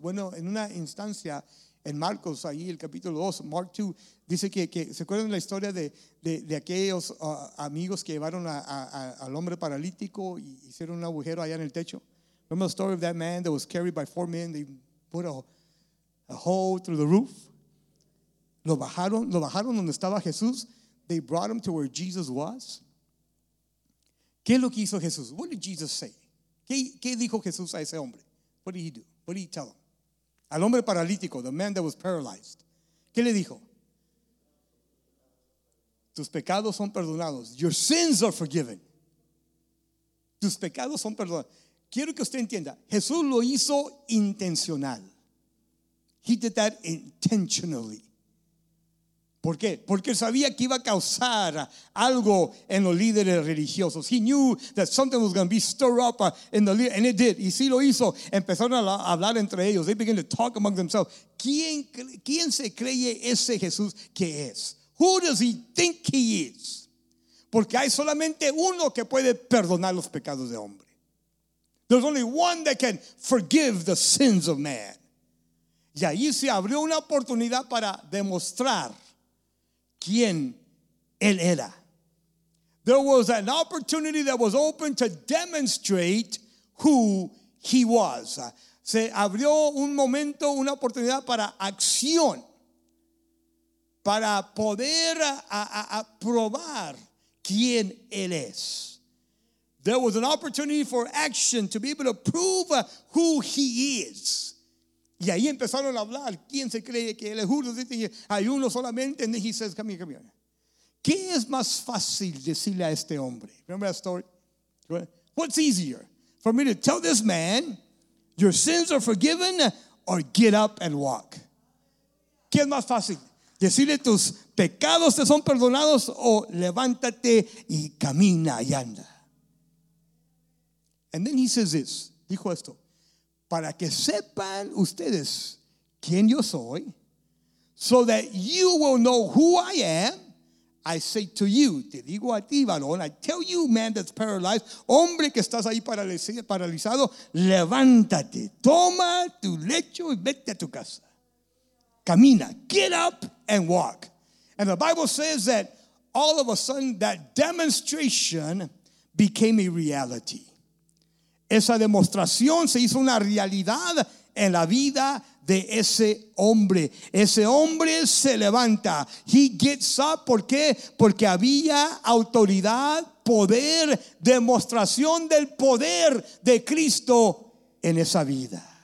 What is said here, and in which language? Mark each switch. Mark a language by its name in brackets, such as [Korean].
[Spanish] Bueno, en una instancia, en Marcos, ahí el capítulo 2, Mark 2, dice que ¿se acuerdan la historia de aquellos amigos que llevaron al hombre paralítico y hicieron un agujero allá en el techo? [English] Remember the story of that man that was carried by four men? They put a hole through the roof. [Spanish] Lo bajaron donde estaba Jesús. [English] They brought him to where Jesus was. [Spanish] ¿Qué es lo que hizo Jesús? [English] What did Jesus say? [Spanish] ¿Qué dijo Jesús a ese hombre? [English] What did he do? What did he tell him? [Spanish] Al hombre paralítico, [English] the man that was paralyzed. [Spanish] ¿Qué le dijo? Tus pecados son perdonados. [English] Your sins are forgiven. [Spanish] Tus pecados son perdonados. Quiero que usted entienda. Jesús lo hizo intencional. [English] He did that intentionally. [Spanish] ¿Por qué? Porque sabía que iba a causar algo en los líderes religiosos. [English] He knew that something was going to be stirred up in the leaders. And it did. [Spanish] Y sí lo hizo. Empezaron a hablar entre ellos. [English] They began to talk among themselves. [Spanish] ¿Quién se cree ese Jesús que es? [English] Who does he think he is? [Spanish] Porque hay solamente uno que puede perdonar los pecados de hombre. [English] There's only one that can forgive the sins of man. [Spanish] Y ahí se abrió una oportunidad para demostrar quién él era. [English] There was an opportunity that was open to demonstrate who he was. [Spanish] Se abrió un momento, una oportunidad para acción, para poder a probar quién él es. [English] There was an opportunity for action to be able to prove who he is. [Spanish] Y ahí empezaron a hablar. ¿Quién se cree que él es? [English] Who does he think? [Spanish] Hay uno solamente. [English] And then he says, come here, come here. [Spanish] ¿Qué es más fácil decirle a este hombre? [English] Remember that story? What's easier? For me to tell this man, your sins are forgiven, or get up and walk. [Spanish] ¿Qué es más fácil? Decirle tus pecados te son perdonados, o levántate y camina y anda. [English] And then he says this. [Spanish] Dijo esto. Para que sepan ustedes quién yo soy, [English] so that you will know who I am, I say to you, [Spanish] te digo a ti, varón, [English] I tell you, man that's paralyzed, [Spanish] hombre que estás ahí paralizado, levántate, toma tu lecho y vete a tu casa. Camina, [English] get up and walk. And the Bible says that all of a sudden that demonstration became a reality. [Spanish] Esa demostración se hizo una realidad en la vida de ese hombre. Ese hombre se levanta. [English] He gets up. [Spanish] ¿Por qué? Porque había autoridad, poder, demostración del poder de Cristo en esa vida.